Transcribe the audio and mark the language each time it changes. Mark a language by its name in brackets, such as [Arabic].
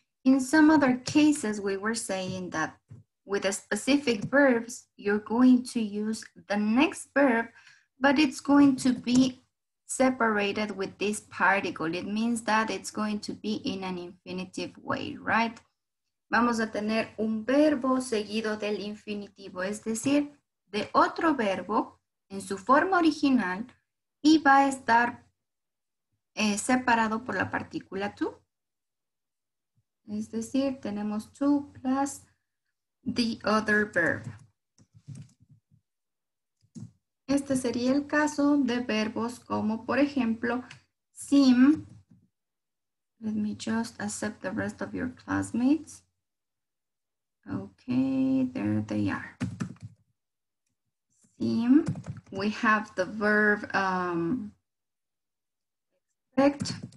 [English] In some other cases, we were saying that with a specific verbs, you're going to use the next verb, but it's going to be separated with this particle. It means that it's going to be in an infinitive way, right? [Spanish] Vamos a tener un verbo seguido del infinitivo, es decir, de otro verbo en su forma original y va a estar separado por la partícula to. Es decir, tenemos [English] to plus the other verb. [Spanish] Este sería el caso de verbos como, por ejemplo, seem. [English] Let me just accept the rest of your classmates. Okay, there they are. Seem. We have the verb expect.